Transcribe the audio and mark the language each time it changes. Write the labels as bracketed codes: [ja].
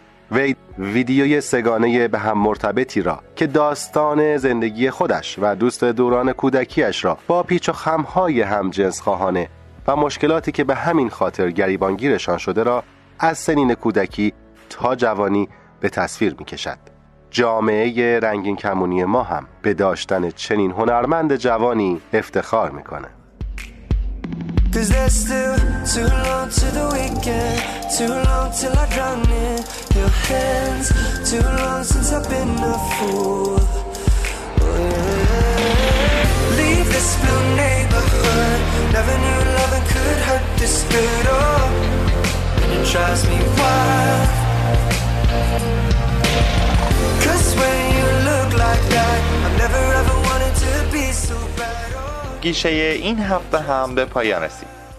[fa] وی ویدیوی سگانه به هم مرتبطی را که داستان زندگی خودش و دوست دوران کودکیش را با پیچ و خمهای همجنس خواهانه و مشکلاتی که به همین خاطر گریبانگیرشان شده را از سنین کودکی تا جوانی به تصویر می کشد. جامعه رنگین کمونی ما هم به داشتن چنین هنرمند جوانی افتخار می کنه. [en] Cause there's still too long to the weekend, too long till I drown in your hands, too long since I've been a fool. Leave this blue neighborhood, never knew loving could hurt this good, oh, and it drives me wild. Cause when you look like that, I've never ever wanted to be so bad, oh. [fa] گیشه این هفته هم به پایان رسید.